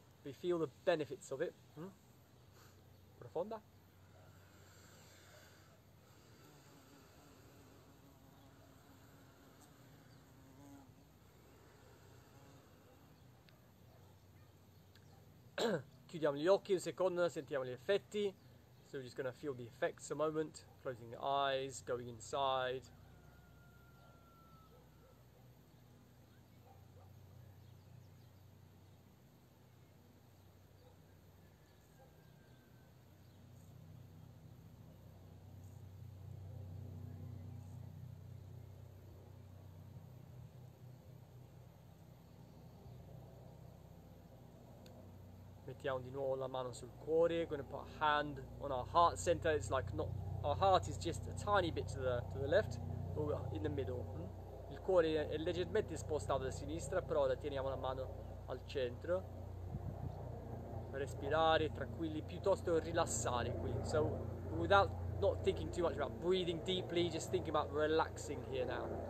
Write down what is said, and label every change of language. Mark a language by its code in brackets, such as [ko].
[en] We feel the benefits of it. [it] Profonda. Chiudiamo gli occhi un secondo, sentiamo gli effetti. [en] So we're just gonna feel the effects a moment, closing the eyes, going inside. [it] Mettiamo di nuovo la mano sul cuore, [en] gonna put a hand on our heart center. It's like not, our heart is just a tiny bit to the left, or in the middle. [it] Il cuore è leggermente spostato a sinistra, però la teniamo la mano al centro. Respirare tranquilli, piuttosto rilassare qui. [en] So, without not thinking too much about breathing deeply, just think about relaxing here now.